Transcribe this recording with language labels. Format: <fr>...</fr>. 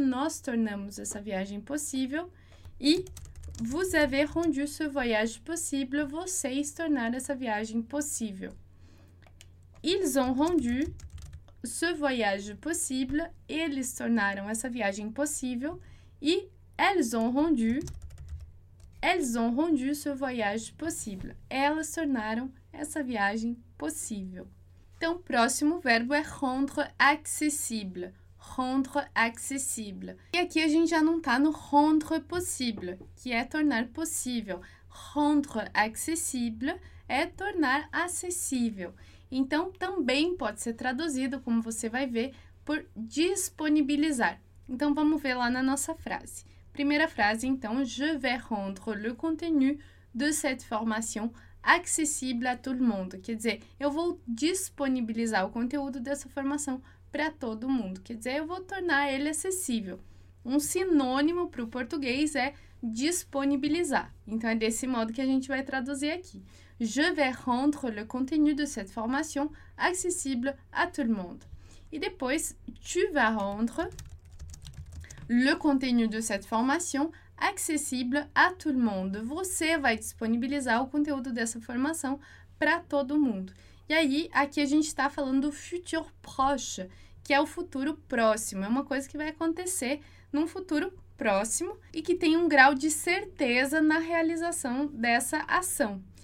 <pt>Nós tornamos essa viagem possível.</pt> <fr>E vous avez rendu ce voyage possible.</fr> <pt>Vocês tornaram essa viagem possível.</pt> <fr>Ils ont rendu ce voyage possible.</fr> <pt>Eles tornaram essa viagem possível.</pt> <fr>E elles ont rendu ce voyage possible.</fr> <pt>Elas tornaram essa viagem possível. Então, o próximo verbo é rendre accessible. Rendre accessible. E aqui a gente já não está no rendre possible, que é tornar possível. Rendre accessible é tornar acessível. Então, também pode ser traduzido, como você vai ver, por disponibilizar. Então, vamos ver lá na nossa frase. Primeira frase, então,</pt> <fr>je vais rendre le contenu de cette formation accessible à tout le monde.</fr> <pt>Quer dizer, eu vou disponibilizar o conteúdo dessa formação para todo mundo. Quer dizer, eu vou tornar ele acessível. Um sinônimo para o português é disponibilizar. Então, é desse modo que a gente vai traduzir aqui.</pt> <fr>Je vais rendre le contenu de cette formation accessible à tout le monde.</fr> <pt>E depois,</pt> <fr>tu vas rendre le contenu de cette formation accessible à tout le monde.</fr> <pt>Você vai disponibilizar o conteúdo dessa formação para todo mundo. E aí, aqui a gente está falando do futur proche, que é o futuro próximo. É uma coisa que vai acontecer num futuro próximo e que tem um grau de certeza na realização dessa ação.</pt>